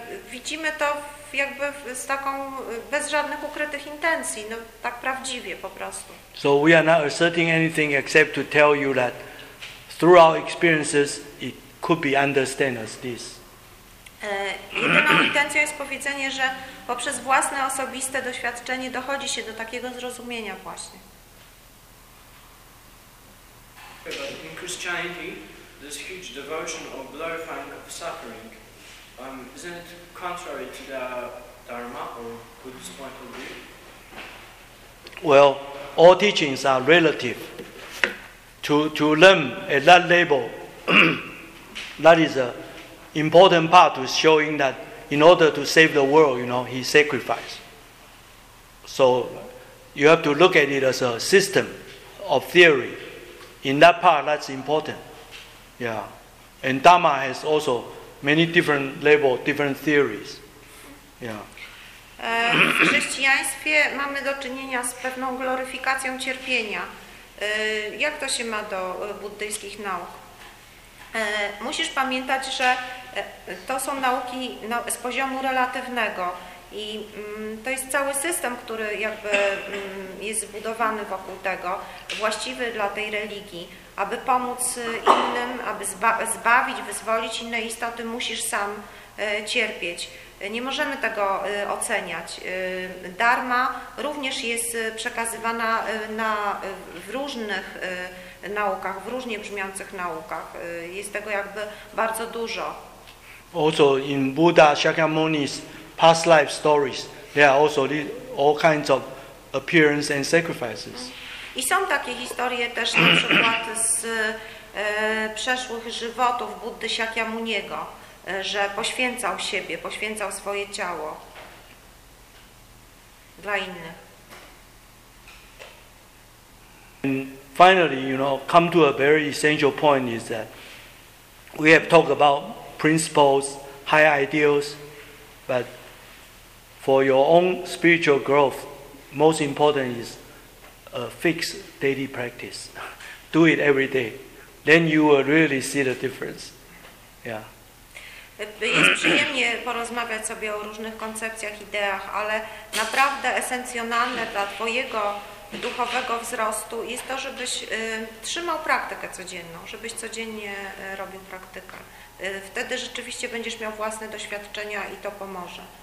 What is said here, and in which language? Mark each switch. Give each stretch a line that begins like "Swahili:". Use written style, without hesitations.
Polish: Widzimy to jakby z taką, bez żadnych ukrytych intencji, no tak prawdziwie po prostu.
English: So we are not asserting anything except to tell you that through our experiences it could be understood as this.
Polish: Jedyną intencją jest powiedzenie, że poprzez własne osobiste doświadczenie dochodzi się do takiego zrozumienia właśnie.
English: But in Christianity there's huge devotion of glorifying of suffering. Isn't it contrary to the Dharma or Buddhist point of view? Well, all teachings are relative. To learn at that level, that is an important part to showing that in order to save the world, you know, he sacrificed. So you have to look at it as a system of theory. In that part, that's important. Yeah. And Dharma has also many different levels, different theories. Yeah.
Polish: W chrześcijaństwie mamy do czynienia z pewną gloryfikacją cierpienia. Jak to się ma do buddyjskich nauk? Musisz pamiętać, że to są nauki z poziomu relatywnego i to jest cały system, który jakby jest zbudowany wokół tego, właściwy dla tej religii. Aby pomóc innym, aby zbawić, wyzwolić inne istoty, musisz sam cierpieć. Nie możemy tego oceniać. Dharma również jest przekazywana w różnych naukach, w różnie brzmiących naukach. Jest tego jakby bardzo dużo.
English: Also in Buddha, Shakyamuni's past life stories, there are also all kinds of appearance and sacrifices.
Polish: I są takie historie też na przykład z przeszłych żywotów Buddy Shakyamuniego, że poświęcał siebie, poświęcał swoje ciało dla innych.
English: And finally, you know, come to a very essential point is that we have talked about principles, high ideals, but for your own spiritual growth, most important is a fixed daily practice. Do it every day. Then you will really see the difference. Yeah.
Polish: Jest przyjemnie porozmawiać sobie o różnych koncepcjach, ideach, ale naprawdę esencjonalne dla twojego duchowego wzrostu jest to, żebyś trzymał praktykę codzienną, żebyś codziennie robił praktykę. Wtedy rzeczywiście będziesz miał własne doświadczenia i to pomoże.